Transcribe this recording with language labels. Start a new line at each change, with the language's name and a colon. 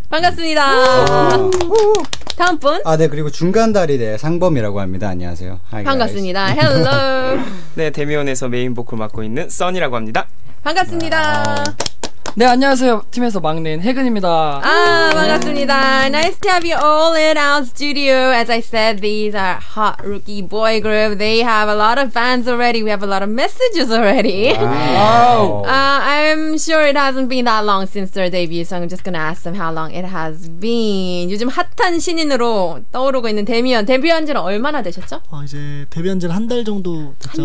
Korean: 반갑습니다. 다음 분. 아, 네, 그리고 중간다리대 상범이라고 합니다. 안녕하세요.
English: Hi,
Korean: 반갑습니다.
English: Hello.
Korean: 네, 데미안에서 메인 보컬 맡고 있는 써니라고 합니다. 반갑습니다. 네, 안녕하세요. 팀에서 막내인 혜근입니다. 아, 반갑습니다.
English: Nice to have you all in our studio. As I said, these are hot rookie boy group. They have a lot of fans already. We have a lot of messages already. Wow. I'm sure it hasn't been that long since their debut, so I'm just gonna ask them how long it has been.
Korean: 요즘 핫한 신인으로 떠오르고 있는 데미언. 데뷔한 지는 얼마나 되셨죠? 이제 데뷔한 지는 한 달 정도 됐죠.